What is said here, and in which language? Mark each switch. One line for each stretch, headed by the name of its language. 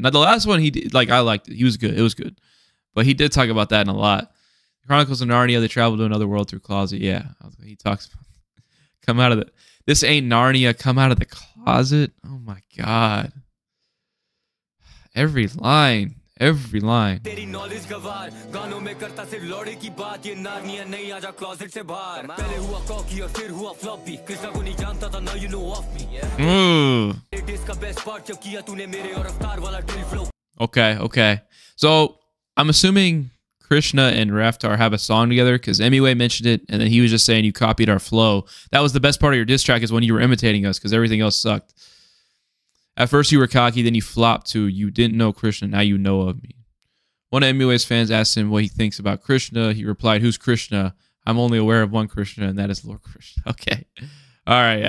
English: Now the last one he did, like, I liked it. He was good. It was good. But he did talk about that in a lot. Chronicles of Narnia, they travel to another world through closet. Yeah, he talks about, come out of the, this ain't Narnia, come out of the closet. Oh my God. Every line, Every line.
Hindi: तेरी knowledge गवार गानों में करता सिर्फ लोड़े की बात ये नारनिया नहीं आजा क्लोजेट से बाहर पहले हुआ कॉकी और फिर हुआ फ्लॉपी कृष्णा को नहीं जानता था
English: now you know of me it is the best part
Hindi: जो किया तूने मेरे और अवतार वाला drill flow
English: okay okay so I'm assuming Krishna and Raftar have a song together because EMIWAY mentioned it and then he was just saying you copied our flow. That was the best part of your diss track is when you were imitating us because everything else sucked. At first you were cocky, then you flopped too. You didn't know Krishna, now you know of me. One of EMIWAY's fans asked him what he thinks about Krishna. He replied, who's Krishna? I'm only aware of one Krishna and that is Lord Krishna. Okay. All right.